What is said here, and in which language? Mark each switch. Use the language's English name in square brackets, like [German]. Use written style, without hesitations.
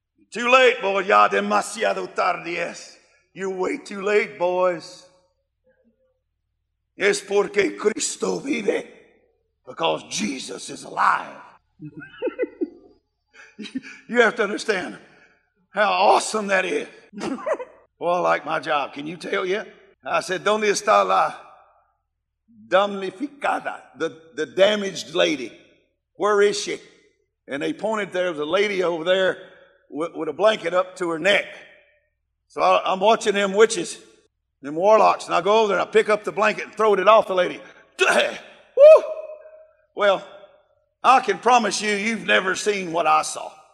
[English] Too late, boy. [Spanish] Ya demasiado tarde es. [English] You're way too late, boys. [Spanish] Es porque Cristo vive. [English] Because Jesus is alive. You have to understand how awesome that is. Well, I like my job. Can you tell yet? I said, [Spanish] ¿Dónde está la damnificada? [English] The damaged lady. Where is she? And they pointed there. There was a lady over there with a blanket up to her neck. So I'm watching them witches, them warlocks. And I go over there and I pick up the blanket and throw it off the lady. Woo! Well, I can promise you, you've never seen what I saw.